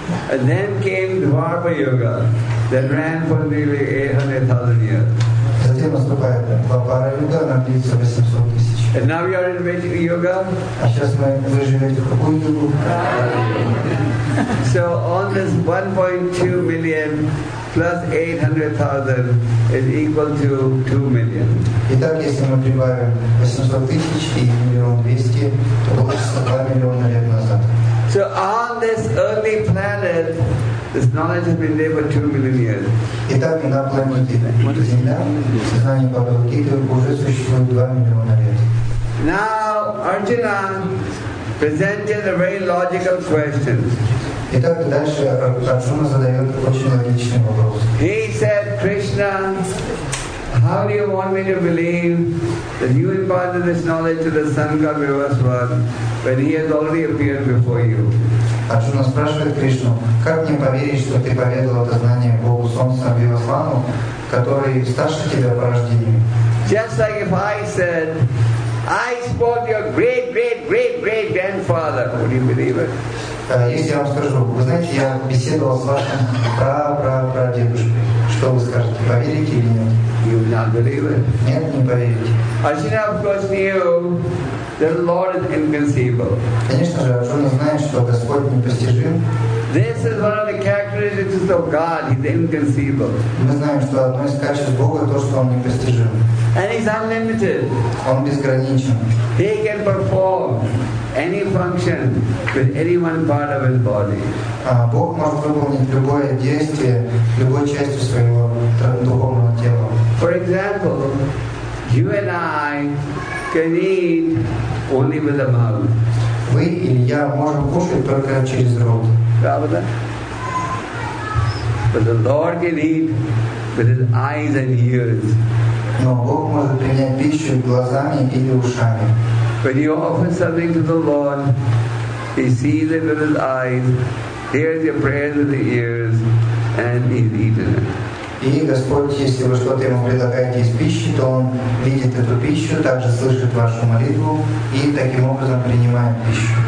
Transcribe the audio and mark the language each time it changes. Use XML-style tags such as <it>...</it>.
<en>And then came Dwapara Yuga that ran for nearly 800,000 years.</en> <ru>Затем наступает Двапара Юга, она длится 800,000.</ru> <en>And now we are in which yoga?</en> <ru>А сейчас мы выживете в какую югу?</ru> <en>So on this 1.2 million plus 800,000 is equal to 2 million.</en> <ru>Итак, если мы прибавим 800 тысяч и 1,200,000, то получится 2 миллиона лет назад.</ru> <en>So on this early planet, this knowledge has been there for 2 million years.</en> <ru>Итак, на планете Земля знание Бхагавад Гиты уже существует 2 миллиона лет.</ru> <en>Now, Arjuna presented a very logical question.</en> <ru>Итак, дальше Арджуна задает очень логичный вопрос.</ru> <en>He said, Krishna, how do you want me to believe that you imparted this knowledge to the Sangha Vivasvan when he has already appeared before you?</en> <ru>Арджуна спрашивает Кришну, как мне поверить, что ты поведал это знание Богу Солнца Вивасвану, который старше тебя по рождению?</ru> <en>Just like if I said, I spoke your great, great, great, great grandfather, would you believe it?</en> <ru>Если я вам скажу, вы знаете, я беседовал с вашим прадедушкой. Что вы скажете, поверите или нет?</ru> <en>You will not believe it.</en> <ru>Нет, не поверите.</ru> <en>Arjuna, of course, knew the Lord is inconceivable.</en> <ru>Конечно же, Арджуна знает, что Господь непостижим.</ru> <en>This is one of the characteristics of God. He's inconceivable.</en> <ru>Мы знаем, что одно из качеств Бога то, что Он непостижим.</ru> <en>And He's unlimited.</en> <ru>Он безграничен.</ru> <en>He can perform any function with any one part of His body.</en> <ru>Бог может выполнить любое действие любой частью своего духовного тела.</ru> <en>For example, you and I can eat only with the mouth.</en> <ru>Вы или я можем кушать только через рот. Правда?</ru> <en>But the Lord can eat with his eyes and ears.</en> <ru>Но Бог может принять пищу глазами или ушами.</ru> <en>When you offer something to the Lord, he sees it with his eyes, hears your prayers with the ears, and he's eaten it.</en> <ru>И Господь, если вы что-то ему предлагаете из пищи, то он видит эту пищу, также слышит вашу молитву и таким образом принимает пищу.</ru>